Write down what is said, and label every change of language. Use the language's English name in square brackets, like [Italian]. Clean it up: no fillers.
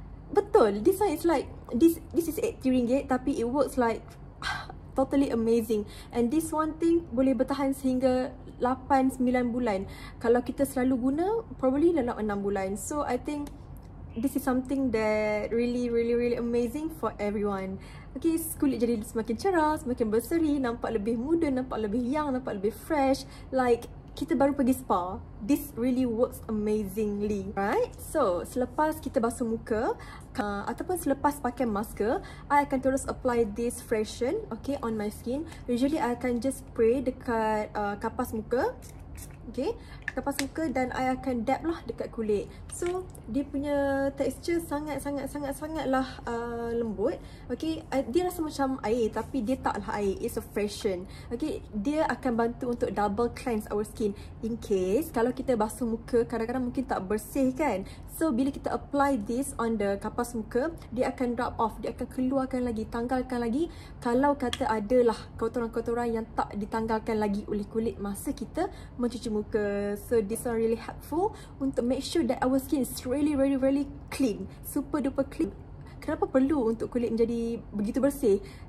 [Malay] Betul, [English] this one is like, this is RM80, [Malay] tapi [English] it works like totally amazing. And this one thing [Malay] boleh bertahan sehingga 8-9 bulan. Kalau kita selalu guna, [English] probably [Malay] dalam 6 bulan. [English] So I think this is something that really amazing for everyone. [Malay] Okay, kulit jadi semakin cerah, semakin berseri, nampak lebih muda, nampak lebih [English] young, [Malay] nampak lebih [English] fresh. Like, [Malay] kita baru pergi spa. [English] This really works amazingly, right? [Malay] So, selepas kita basuh muka, ataupun selepas pakai masker, I akan terus [English] apply this freshen, okay, on my skin. Usually, [Malay] I akan [English] just spray [Malay] dekat kapas muka. Okay, kapas muka, dan I akan dab lah dekat kulit. So, dia punya texture sangat-sangat-sangat-sangatlah lembut. Okay, dia rasa macam air tapi dia taklah air. [English] It's a freshen. [Malay] Okay, dia akan bantu untuk [English] double cleanse our skin. In case, [Malay] kalau kita basuh muka, kadang-kadang mungkin tak bersih kan? So, bila kita [English] apply this on the [Malay] kapas muka, dia akan [English] drop off. [Malay] Dia akan keluarkan lagi, tanggalkan lagi. Kalau kata adalah kotoran-kotoran yang tak ditanggalkan lagi oleh kulit masa kita mencuci muka. [English] So this one really helpful [Malay] untuk [English] make sure that our skin is really clean, super duper clean. [Malay] Kenapa perlu untuk kulit menjadi begitu bersih?